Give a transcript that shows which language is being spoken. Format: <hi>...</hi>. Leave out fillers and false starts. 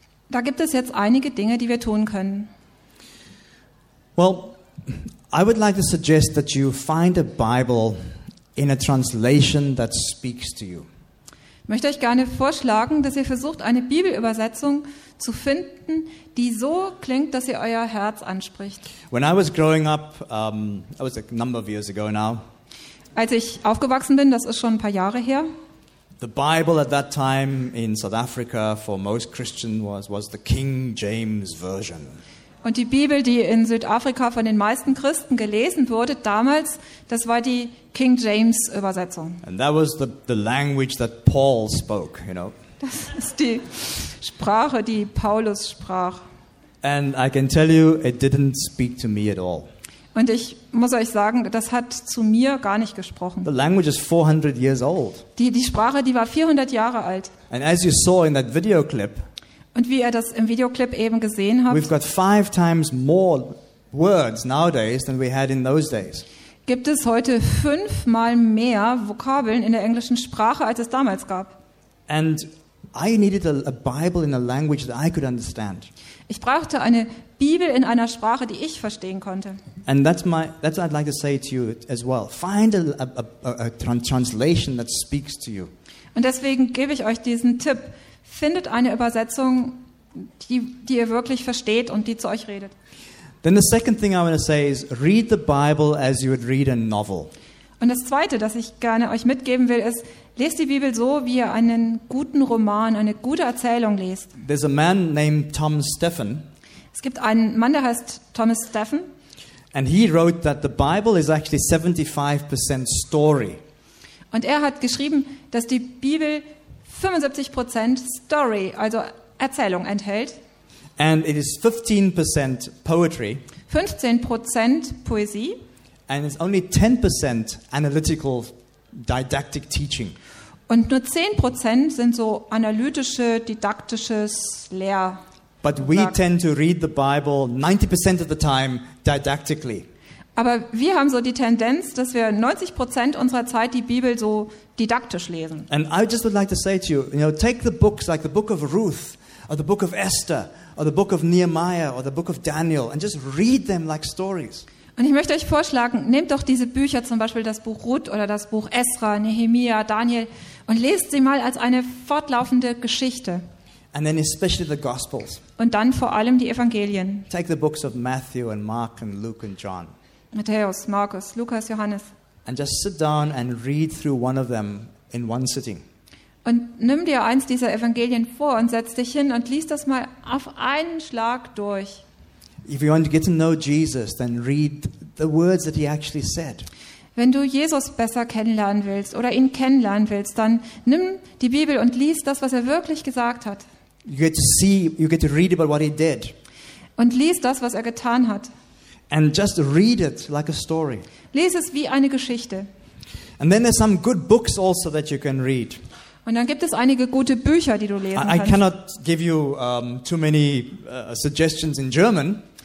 <de>Da gibt es jetzt einige Dinge, die wir tun können.</de> <en>Well, I would like to suggest that you find a Bible in a translation that speaks to you.</en> <de>Ich möchte euch gerne vorschlagen, dass ihr versucht, eine Bibelübersetzung zu finden, die so klingt, dass sie euer Herz anspricht.</de> <en>When I was growing up, that was a number of years ago now.</en> <de>Als ich aufgewachsen bin, das ist schon ein paar Jahre her.</de> <en>The Bible at that time in South Africa for most Christians was the King James Version.</en> <de>Und die Bibel, die in Südafrika von den meisten Christen gelesen wurde damals, das war die King James Übersetzung.</de> <en>And that was the language that Paul spoke, you know.</en> <de>Das ist die Sprache, die Paulus sprach.</de> <en>And I can tell you, it didn't speak to me at all.</en> <de>Und ich muss euch sagen, das hat zu mir gar nicht gesprochen.</de> <en>The language is 400 years old.</en> <de>Die Sprache, die war 400 Jahre alt.</de> <en>And as you saw in that video clip.</en> <de>Und wie ihr das im Videoclip eben gesehen habt.</de> <en>We've got 5 times more words nowadays than we had in those days.</en> <de>Gibt es heute 5-mal mehr Vokabeln in der englischen Sprache, als es damals gab.</de> <en>And I needed a Bible in a language that I could understand.</en> <de>Ich brauchte eine Bibel in einer Sprache, die ich verstehen konnte.</de> <en>And that's what I'd like to say to you as well. Find a translation that speaks to you.</en> <de>Und deswegen gebe ich euch diesen Tipp. Findet eine Übersetzung, die ihr wirklich versteht und die zu euch redet.</de> <en>Then the second thing I want to say is read the Bible as you would read a novel.</en> <de>Und das zweite, das ich gerne euch mitgeben will, ist, lest die Bibel so, wie ihr einen guten Roman, eine gute Erzählung lest.</de> <en>There's a man named Tom Stephan.</en> <de>Es gibt einen Mann, der heißt Thomas Stephan.</de> <en>And he wrote that the Bible is actually 75% story.</en> <de>Und er hat geschrieben, dass die Bibel 75% Story, also Erzählung enthält.</de> <en>And it is 15% poetry.</en> <de>15% Poesie.</de> <en>And it's only 10% analytical didactic teaching.</en> <de>Und nur 10% sind so analytische, didaktisches Lehr.</de> <en>But we tend to read the Bible 90% of the time didactically.</en> <de>Aber wir haben so die Tendenz, dass wir 90% unserer Zeit die Bibel so didaktisch lesen.</de> <en>And I just would like to say to you, you know, take the books like the book of Ruth or the book of Esther or the book of Nehemiah or the book of Daniel and just read them like stories.</en> <de>Und ich möchte euch vorschlagen, nehmt doch diese Bücher, zum Beispiel das Buch Ruth oder das Buch Esra, Nehemia, Daniel, und lest sie mal als eine fortlaufende Geschichte.</de> <en>And then especially the Gospels.</en> <de>Und dann vor allem die Evangelien.</de> <en>Take the books of Matthew and Mark and Luke and John.</en> <de>Matthäus, Markus, Lukas, Johannes.</de> <en>And just sit down and read through one of them in one sitting.</en> <de>Und nimm dir eins dieser Evangelien vor und setz dich hin und lies das mal auf einen Schlag durch.</de> <en>If you want to get to know Jesus, then read the words that he actually said.</en> <de>Wenn du Jesus besser kennenlernen willst oder ihn kennenlernen willst, dann nimm die Bibel und lies das, was er wirklich gesagt hat.</de> <en>You get to see, you get to read about what he did.</en> <de>Und lies das, was er getan hat.</de> <en>And just read it like a story.</en> <de>Lies es wie eine Geschichte.</de> <en>And then there's some good books also that you can read.</en> <de>Und dann gibt es einige gute Bücher, die du lesen kannst.</de> <en>I cannot give you too many suggestions in German.</en>